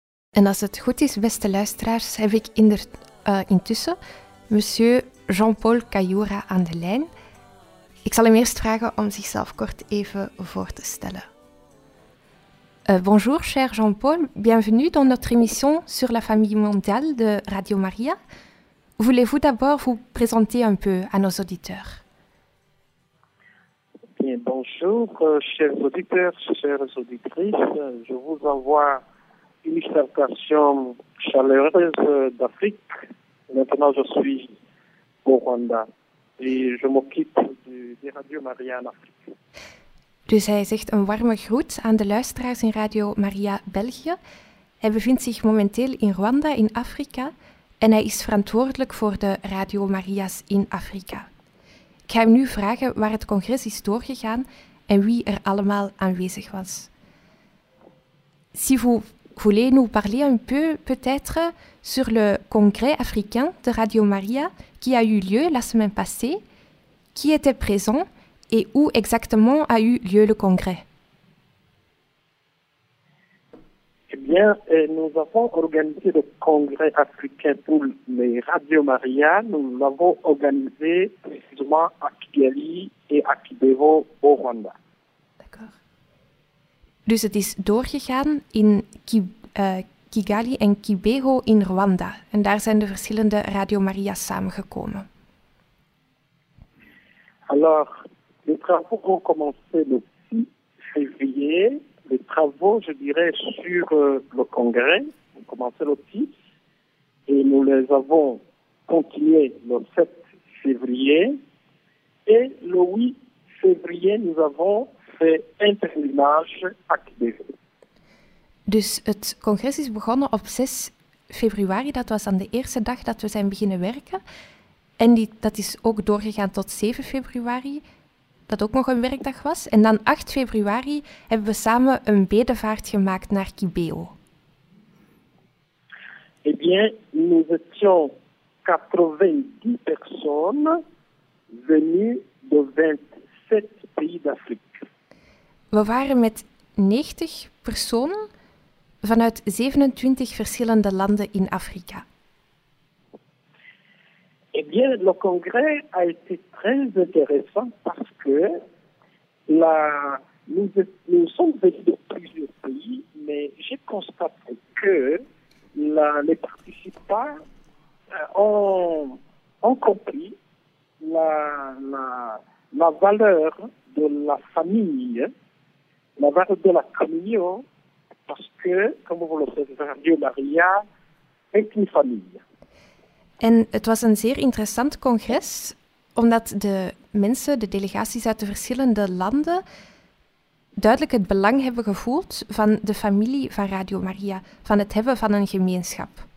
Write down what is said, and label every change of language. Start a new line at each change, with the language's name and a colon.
Dutch: En als het goed is, beste luisteraars, heb ik intussen monsieur Jean-Paul Cayoura aan de lijn. Ik zal hem eerst vragen om zichzelf kort even voor te stellen.
French: Bonjour, cher Jean-Paul. Bienvenue dans notre émission sur la famille mondiale de Radio Maria. Voulez-vous d'abord vous présenter un peu à nos auditeurs? Bien, bonjour, chers auditeurs, chères auditrices. Je vous envoie une salutation chaleureuse d'Afrique. Maintenant, je suis au Rwanda et je m'occupe de Radio Maria en Afrique.
Dutch: Dus hij zegt een warme groet aan de luisteraars in Radio Maria België. Hij bevindt zich momenteel in Rwanda in Afrika en hij is verantwoordelijk voor de Radio Maria's in Afrika. Ik ga hem nu vragen waar het congres is doorgegaan en wie er allemaal aanwezig was.
French: Si vous voulez nous parler un peu peut-être sur le congrès africain de Radio Maria qui a eu lieu la semaine passée, qui était présent et où exactement a eu lieu le congrès? Eh bien, nous avons organisé le congrès africain pour les Radio Maria. Nous l'avons organisé précisément à Kigali et à Kibeho au Rwanda. D'accord.
Dutch: Dus het is doorgegaan in Kigali en Kibeho in Rwanda. En daar zijn de verschillende Radio Maria's samengekomen.
French: Alors, les travaux ont commencé le 6 février. Les travaux, je dirais, sur le congrès ont commencé le 6 et nous les avons continués le 7 février. Et le 8 février, nous avons fait un pèlerinage à Kibeho.
Dutch: Dus het congres is begonnen op 6 februari. Dat was dan de eerste dag dat we zijn beginnen werken. En dat is ook doorgegaan tot 7 februari, dat ook nog een werkdag was. En dan 8 februari hebben we samen een bedevaart gemaakt naar Kibeho.
French: Eh bien, nous étions 90 personnes venues de 27 pays d'Afrique.
Dutch: We waren met 90 personen vanuit 27 verschillende landen in Afrika.
French: Eh bien, le congrès a été très intéressant parce que nous sommes venus de plusieurs pays, mais j'ai constaté que les participants ont compris la valeur de la famille, la valeur de la communion, parce que, comme vous le savez, Radio Maria est une famille.
Dutch: En het was een zeer interessant congres, omdat de mensen, de delegaties uit de verschillende landen, duidelijk het belang hebben gevoeld van de familie van Radio Maria, van het hebben van een gemeenschap.